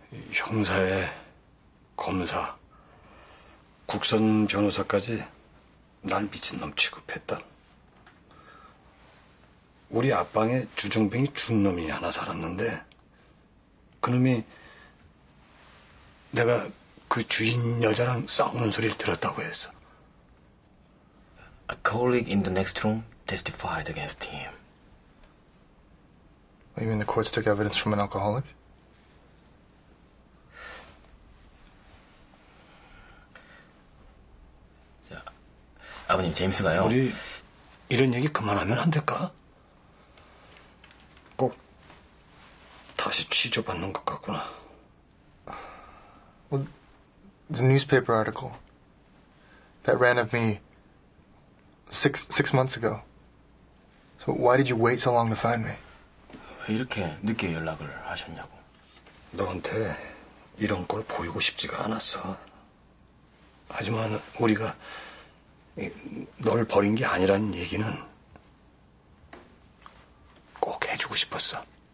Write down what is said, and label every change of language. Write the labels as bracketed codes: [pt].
[ko] 형사에 검사, 국선 변호사까지 날 미친놈 취급했다. 우리 앞방에 주정뱅이 중놈이 하나 살았는데 그놈이 내가 그 주인 여자랑 싸우는 소리를 들었다고 했어. [en] A colleague in the next room testified against him. You mean the courts took evidence from an alcoholic? [ko] So, 아버님 제임스가요. 우리 이런 얘기 그만하면 안 될까? 꼭 다시 취조받는 것 같구나. [en] Well, the newspaper article that ran of me six months ago. So why did you wait so long to find me? [ko] 왜 이렇게 늦게 연락을 하셨냐고. 너한테 이런 걸 보이고 싶지가 않았어. 하지만 우리가 널 버린 게 아니라는 얘기는 꼭 해주고 싶었어.